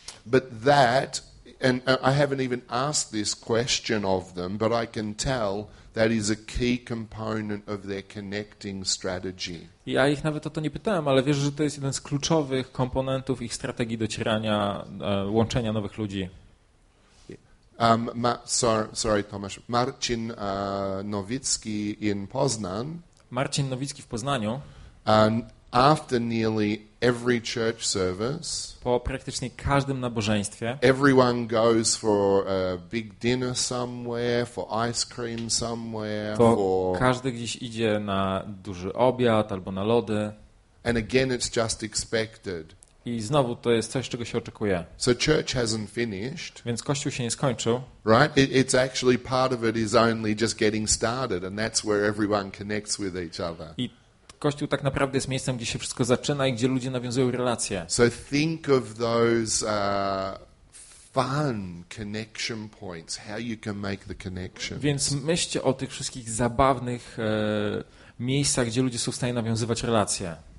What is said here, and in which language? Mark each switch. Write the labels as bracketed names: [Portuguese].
[English] But that, and I haven't even asked this question of them, but I can tell that is a key component of their connecting strategy. [Polish] Ja ich nawet o to nie pytałem, ale wierzę, że to jest jeden z kluczowych komponentów ich strategii docierania, łączenia nowych ludzi. [English] Tomasz. Marcin Nowicki in Poznań. [Polish] Marcin Nowicki w Poznaniu. [English] After nearly every church service, [Polish] po praktycznie każdym nabożeństwie, [English] everyone goes for a big dinner somewhere, for ice cream somewhere, to for [Polish] każdy gdzieś idzie na duży obiad albo na lody. [English] And again, it's just expected. [Polish] I znowu to jest coś, czego się oczekuje. [English] So church hasn't finished. [Polish] Więc kościół się nie skończył. [English] Right? It's actually part of it is only just getting started, and that's where everyone connects with each other. [Polish] Kościół tak naprawdę jest miejscem, gdzie się wszystko zaczyna i gdzie ludzie nawiązują relacje. [English] So think of those fun connection points, how you can make the connection. [Polish] Więc myślcie o tych wszystkich zabawnych miejscach, gdzie ludzie są w stanie nawiązywać relacje.